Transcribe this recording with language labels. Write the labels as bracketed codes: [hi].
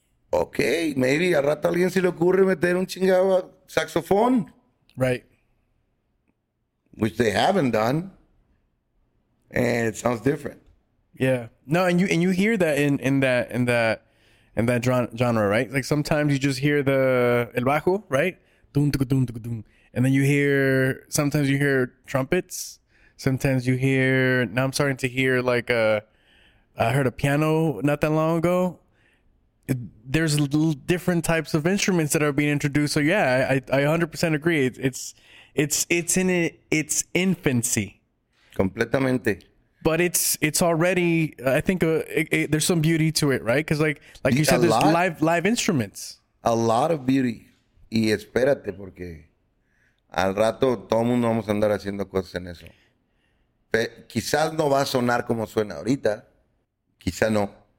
[es] Ok, maybe al rato a alguien se le ocurre meter un chingado saxofón. [en] Right. Which they haven't done. And it sounds different. Yeah. No, and you hear that in that genre, right? Like sometimes you just hear el bajo, right? Dun tuk dun tuk dun. And then sometimes you hear trumpets. Sometimes you hear, now I'm starting to hear like I heard a piano not that long ago. There's different types of instruments that are being introduced. So yeah, I 100% agree. It's in its infancy. [es] Completamente. [en] But it's already, I think there's some beauty to it, right? Because like you said, there's live instruments. A lot of beauty. [es] Y espérate porque al rato todo el mundo vamos a andar haciendo cosas en eso. Pero quizás no va a sonar como suena ahorita. Quizá no.